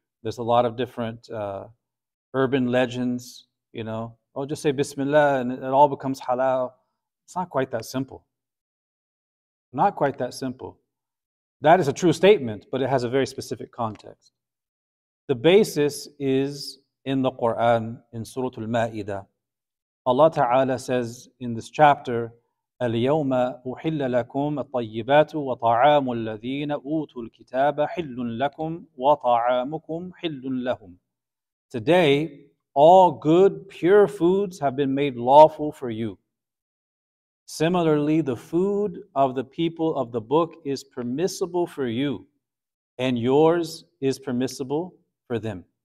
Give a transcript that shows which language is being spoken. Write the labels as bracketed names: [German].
[English] There's a lot of different urban legends, you know. Oh, just say Bismillah and it all becomes halal. It's not quite that simple. Not quite that simple. That is a true statement, but it has a very specific context. The basis is in the Quran, in Surah Al-Ma'idah. Allah Ta'ala says in this chapter, [Arabic] الْيَوْمَ أُحِلَّ لَكُمْ الطَّيِّبَاتُ وَطَعَامُ الَّذِينَ أُوتُوا الْكِتَابَ حِلٌّ لَكُمْ وَطَعَامُكُمْ حِلٌّ لَهُمْ. [English] Today, all good, pure foods have been made lawful for you. Similarly, the food of the people of the book is permissible for you, and yours is permissible for them.